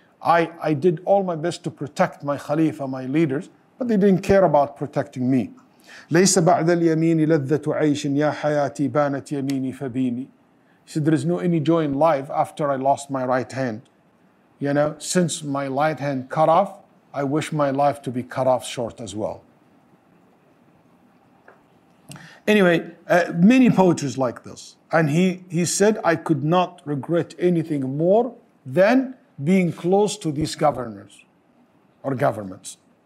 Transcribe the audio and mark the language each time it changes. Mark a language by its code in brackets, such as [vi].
[en] I did all my best to protect my Khalifa, my leaders, but they didn't care about protecting me. [ar] ليس بعد اليمين لذة عيش يا حياتي بانت يميني فبيني. [en] He said, there is no any joy in life after I lost my right hand. You know, since my right hand cut off, I wish my life to be cut off short as well. Anyway, many poetries like this. And he said, I could not regret anything more than being close to these governors or governments.